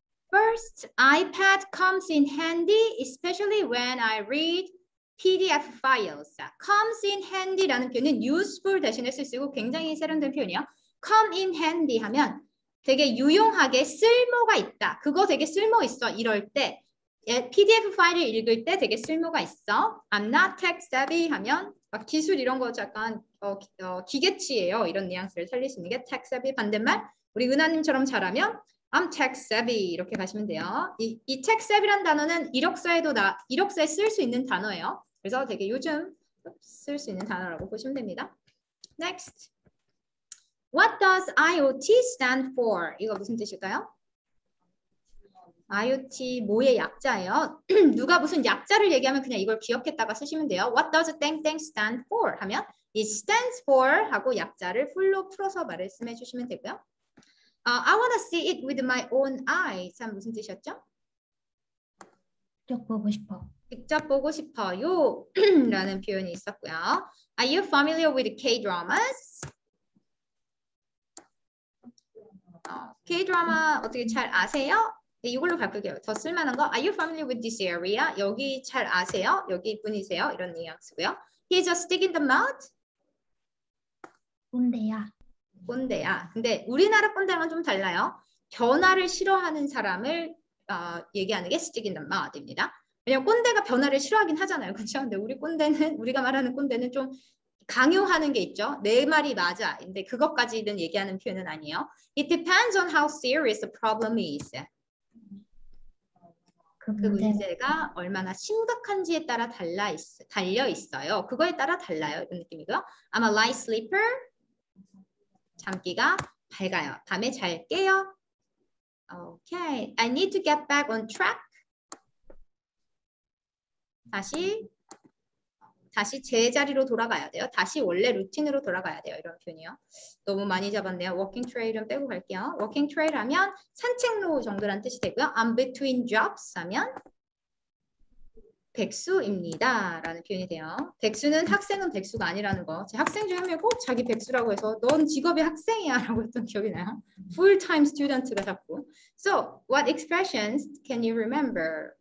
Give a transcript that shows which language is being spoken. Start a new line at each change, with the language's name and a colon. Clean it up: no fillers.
English: First, iPad comes in handy, especially when I read PDF files. Comes in handy
Korean: 라는 표현은 useful 대신에 쓸 수 있고 굉장히 세련된 표현이야.
English: Come in handy
Korean: 하면 되게 유용하게 쓸모가 있다. 그거 되게 쓸모 있어. 이럴 때 PDF 파일을 읽을 때 되게 쓸모가 있어.
English: I'm not tech savvy
Korean: 하면 막 기술 이런 거 약간 기계치예요. 이런 뉘앙스를 살리시는 게 tech savvy. 반대말 우리 은하님처럼 잘하면
English: I'm tech savvy
Korean: 이렇게 가시면 돼요. 이 tech savvy란 단어는 이력서에 쓸 수 있는 단어예요. 그래서 되게 요즘 쓸 수 있는 단어라고 보시면 됩니다.
English: Next. What does IoT stand for?
Korean: 이거 무슨 뜻일까요? IoT 뭐의 약자예요? 누가 무슨 약자를 얘기하면 그냥 이걸 기억했다가 쓰시면 돼요.
English: What does ……
Korean: 땡땡
English: stand for?
Korean: 하면
English: it stands for
Korean: 하고 약자를 풀로 풀어서 말씀해 주시면 되고요.
English: I want to see it with my own eyes.
Korean: 참 무슨 뜻이었죠? 직접 보고 싶어. 직접 보고 싶어요. 라는 표현이 있었고요.
English: Are you familiar with K-dramas?
Korean: K-drama 어떻게 잘 아세요? 네, 이걸로 바꿀게요. 더 쓸만한 거.
English: Are you familiar with this area?
Korean: 여기 잘 아세요? 여기 분이세요? 이런 뉘앙스고요.
English: He's a stick in the mud.
Korean: 꼰대야. 꼰대야. 근데 우리나라 꼰대랑은 좀 달라요. 변화를 싫어하는 사람을 얘기하는 게
English: stick in the mud
Korean: 입니다. 왜냐면 꼰대가 변화를 싫어하긴 하잖아요. 그렇죠? 근데 우리가 말하는 꼰대는 좀 강요하는 게 있죠. 내 말이 맞아. 근데 그것까지는 얘기하는 표현은 아니에요.
English: It depends on how serious the problem is.
Korean: 그 문제가 얼마나 심각한지에 따라 달려 있어요. 그거에 따라 달라요. 이런 느낌이고요.
English: I'm a light sleeper.
Korean: 잠기가 밝아요. 밤에 잘 깨요. Okay.
English: I need to get back on track.
Korean: 다시 제자리로 돌아가야 돼요. 다시 원래 루틴으로 돌아가야 돼요. 이런 표현이요. 너무 많이 잡았네요. Walking trail은 빼고 갈게요. Walking trail 하면 산책로 정도란 뜻이 되고요.
English: I'm between jobs
Korean: 하면 백수입니다. 라는 표현이 돼요. 백수는 학생은 백수가 아니라는 거. 제 학생 중에 한 명이 꼭 자기 백수라고 해서 넌 직업이 학생이야 라고 했던 기억이 나요. Full-time student가 자꾸.
English: So, what expressions can you remember?